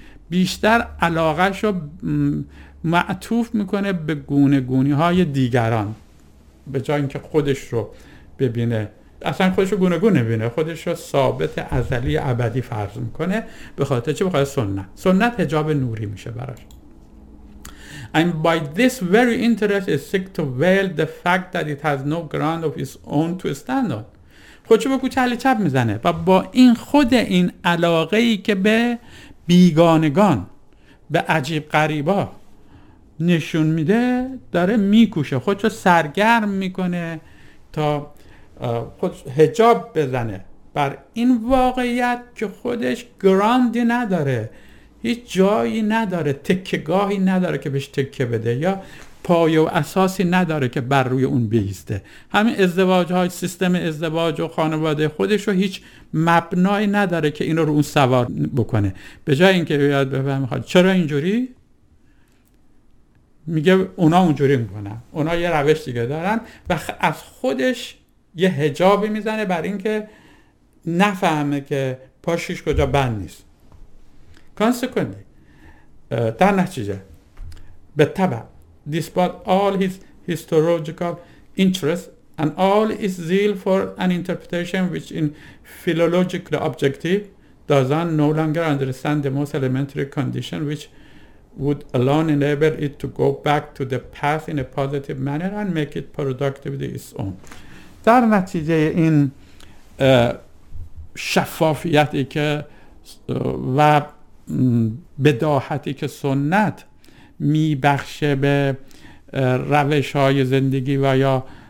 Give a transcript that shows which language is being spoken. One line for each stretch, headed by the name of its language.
Persian: بیشتر علاقه شو معطوف میکنه به گونه گونی های دیگران به جای اینکه خودش رو ببینه اصلا خودش رو گونه‌گون نمی‌بینه، خودش رو ثابت ازلی ابدی فرض میکنه. به خاطر چی؟ به خاطر سنت. سنت حجاب نوری میشه براش.
English: And by this very interest it seeks to veil the fact that it has no ground of its own to stand on.
Persian: خودشو به کوچه علی چپ میزنه و با این خود این علاقه‌ای که به بیگانگان، به عجیب غریبا نشون میده، داره میکوشه خودشو سرگرم میکنه تا خودش حجاب بزنه بر این واقعیت که خودش گراندی نداره، هیچ جایی نداره، تکیگاهی نداره که بهش تکیه بده، یا پایه و اساسی نداره که بر روی اون بیسته. همین ازدواج های سیستم ازدواج و خانواده خودش رو هیچ مبنایی نداره که اینو رو اون سوار بکنه. به جای اینکه بیاد بفهمه خواهد چرا اینجوری، میگه اونا اونجوری میکنن، اونا یه روش دیگه دارن، و از خودش یه حجابی میزنه برای اینکه نفهمه که پاشیش کجا بند نیست.
English: Consequently,
Persian: در نتیجه به تبع
English: despite all his historical interest and all his zeal for an interpretation which in philological objective doesn't no longer understand the most elementary condition which would alone enable it to go back to the past in a positive manner and make it productive to its own.
Persian: در نتیجه این شفافیتی که و بداهتی که سنت میبخشه به روش های زندگی و یا